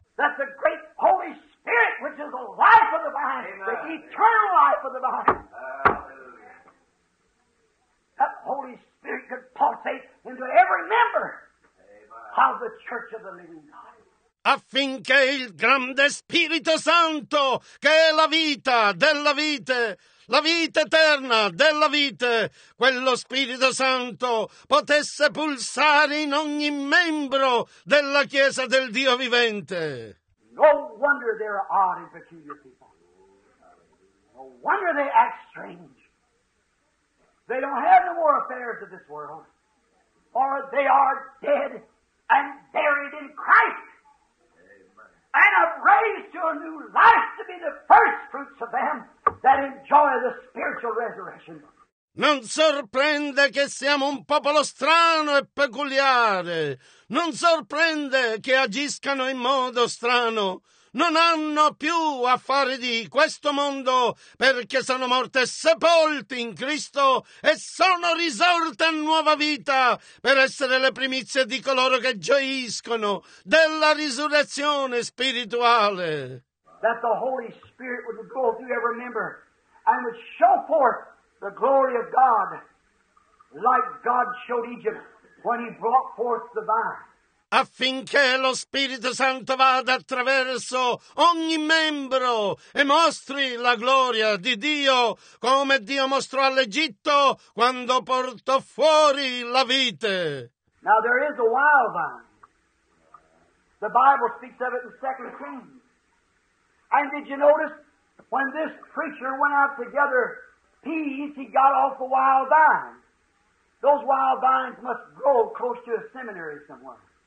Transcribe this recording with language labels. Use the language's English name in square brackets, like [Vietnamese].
[English] That the great Holy Spirit, which is the life of the vine, the eternal life of the vine, that Holy Spirit could pulsate into every member of the church of the living God. [Italian] Affinché il grande Spirito Santo, che è la vita della vite, la vita eterna della vite, quello Spirito Santo potesse pulsare in ogni membro della Chiesa del Dio vivente. [English] No wonder there are odd and peculiar people. No wonder they act strange. They don't have no more affairs of this world, or they are dead and buried in Christ. and I'm raised to a new life to be the first fruits of them that enjoy the spiritual resurrection. [Italian] Non sorprende che siamo un popolo strano e peculiare. Non sorprende che agiscano in modo strano. Non hanno più affari di questo mondo perché sono morte e sepolte in Cristo e sono risorte a nuova vita per essere le primizie di coloro che gioiscono della risurrezione spirituale. [English] That the Holy Spirit would go through every member and would show forth the glory of God like God showed Egypt when he brought forth the vine. [Italian] Affinché lo Spirito Santo vada attraverso ogni membro e mostri la gloria di Dio come Dio mostrò all'Egitto quando portò fuori la vite. [English] Now there is a wild vine. The Bible speaks of it in 2 Kings. And did you notice when this preacher went out to gather peas, he got off a wild vine. Those wild vines must grow close to a seminary somewhere.